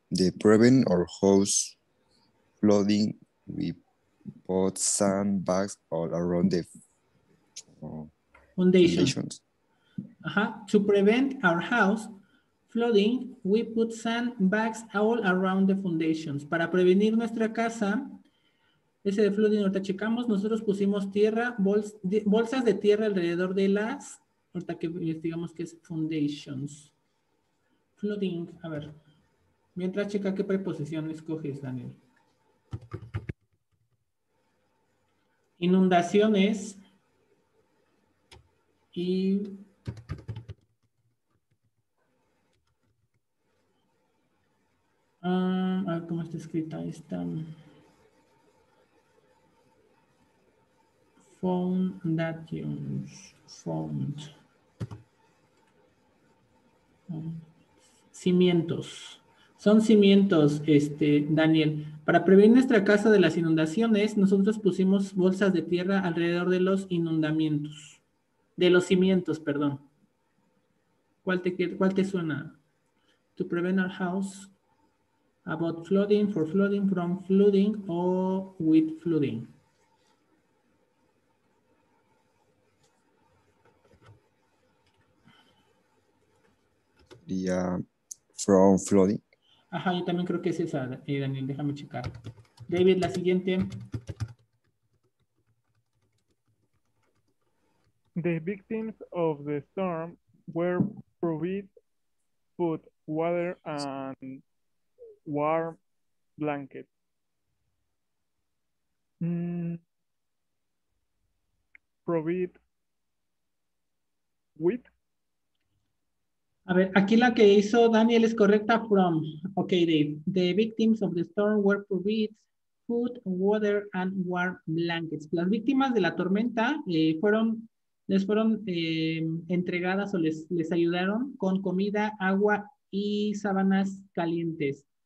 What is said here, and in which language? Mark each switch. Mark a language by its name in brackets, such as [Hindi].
[English] The prevent or host flooding with both sandbags all around the foundations. Ajá. To prevent our house flooding, we put sandbags all around the foundations. [Spanish] Para prevenir nuestra casa, ese de flooding, ahorita checamos, nosotros pusimos tierra, bolsas de tierra alrededor de las ahorita que investigamos qué es foundations. Flooding, a ver. Mientras checa qué preposición escoges, Daniel. Inundaciones y a ver cómo está escrita esta. [English] Foundations. Fond. [Spanish] Cimientos. Son cimientos, Daniel. Para prevenir nuestra casa de las inundaciones, nosotros pusimos bolsas de tierra alrededor de los inundamientos. De los cimientos, perdón. ¿Cuál te suena? [English] To prevent our house about flooding, for flooding, from flooding, or with flooding. From flooding. [Spanish] Ajá, yo también creo que es esa, Daniel, déjame checar. David, la siguiente. [English] The victims of the storm were provided food, water, and warm blankets. Provide with. [Spanish] A ver, aquí la que hizo Daniel es correcta. [English] From, okay, Dave. The victims of the storm were provided food, water, and warm blankets. [Spanish] Las víctimas de la tormenta les fueron entregadas o les ayudaron con comida, agua y sábanas calientes.